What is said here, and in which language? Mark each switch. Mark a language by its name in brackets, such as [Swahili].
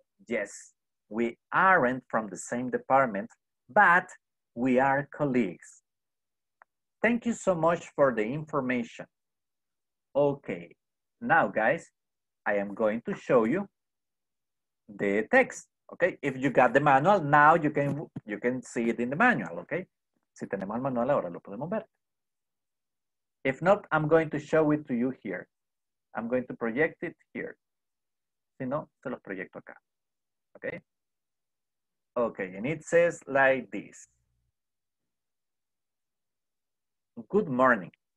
[English] Yes, we aren't from the same department, but we are colleagues. Thank you so much for the information. Okay, now guys, I am going to show you the text, okay? If you got the manual, now you can see it in the manual, okay? [Spanish] Si tenemos el manual, ahora lo podemos ver. [English] If not, I'm going to show it to you here. I'm going to project it here. [Spanish] Si no, se los proyecto acá. [English] Okay? Okay, and it says like this. Good morning.